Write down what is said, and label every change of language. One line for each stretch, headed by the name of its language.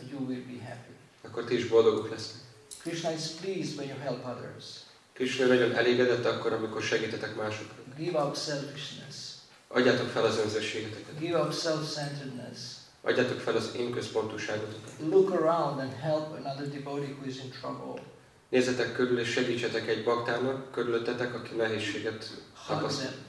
English: you will be happy.
Hungarian: Akkor ti is boldogok lesznek.
English: Krishna is pleased when you help others.
Hungarian: Krishna nagyon elégedett akkor, amikor segítetek másokat.
English: Give up selfishness.
Hungarian: Adjátok fel az önzőségeteket.
English: Give up self-centeredness.
Hungarian: Adjátok fel az én központúságotokat.
English: Look around and help another devotee who is in trouble.
Hungarian: Nézzetek körül és segítsetek egy baktának, körülöttetek, aki nehézséget tapasztal.